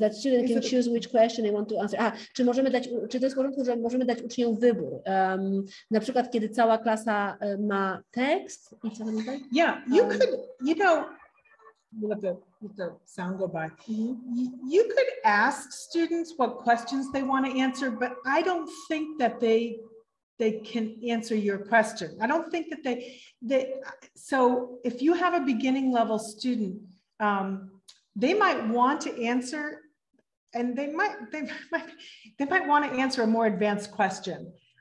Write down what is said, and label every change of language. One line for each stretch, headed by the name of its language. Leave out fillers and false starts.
English: That student can choose which question they want to answer.
Polish: Czy to jest w porządku, że możemy dać uczniom wybór? Na przykład, kiedy cała klasa ma tekst i co tam jest?
English: Yeah, you could, you know, let the sound go by. Mm-hmm. You could ask students what questions they want to answer, but I don't think that they can answer your question. I don't think that they. So if you have a beginning level student, they might want to answer, and they might want to answer a more advanced question.